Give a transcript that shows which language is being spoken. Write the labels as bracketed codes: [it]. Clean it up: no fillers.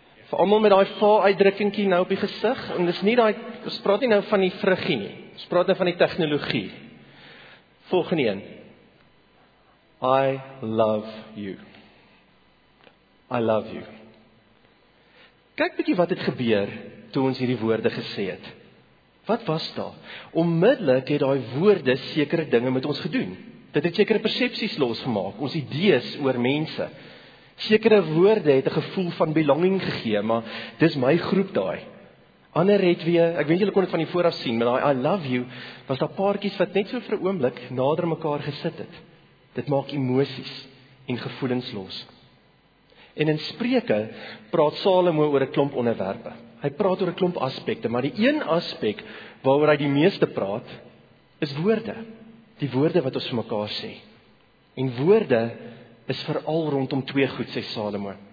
[af] Vir almal met daai va uitdrukkingkie nou op die gesig, en dis nie daai, ons praat nie nou van die vruggie nie. Ons praat nou van die tegnologie. Volgende een. [en] I love you. I love you. [af] Kyk bietjie wat het gebeur toe ons hierdie woorde gesê het. Wat was daar? Onmiddellik het daai woorde sekere dinge met ons gedoen. Dit het sekere persepsies losgemaak, ons idees oor mense. Sekere woorde het 'n gevoel van belonging gegee, maar dis my groep daai. Ander het weer, ek weet julle kon dit van die vooraf sien, maar daai [en] I love you [af] was daar paartjies wat net so vir 'n oomblik nader mekaar gesit het. Dit maak emosies en gevoelens los. En in Spreuke praat Salomo oor 'n klomp onderwerpe. Hy praat oor 'n klomp aspekte, maar die een aspek waaroor hy die meeste praat, is woorde. Die woorde wat ons vir mekaar sê. En woorde is veral rondom twee goed, sê Salomo.